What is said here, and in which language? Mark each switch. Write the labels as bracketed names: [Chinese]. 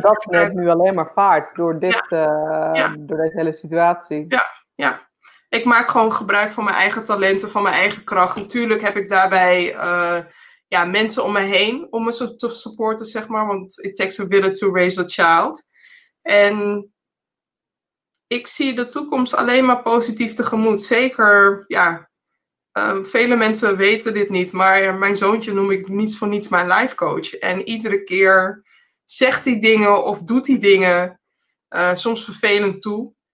[Dutch] dat neemt nu alleen maar vaart door door deze hele situatie. Ja, ja. Ik maak gewoon gebruik van mijn eigen talenten, van mijn eigen kracht. Natuurlijk heb ik daarbij mensen om me heen om me te supporten, zeg maar. Want [English] it takes a village to raise a child. [Dutch] En ik zie de toekomst alleen maar positief tegemoet. Zeker, ja, vele mensen weten dit niet. Maar mijn zoontje noem ik niets voor niets mijn life coach. En iedere keer zegt hij dingen of doet hij dingen soms vervelend toe.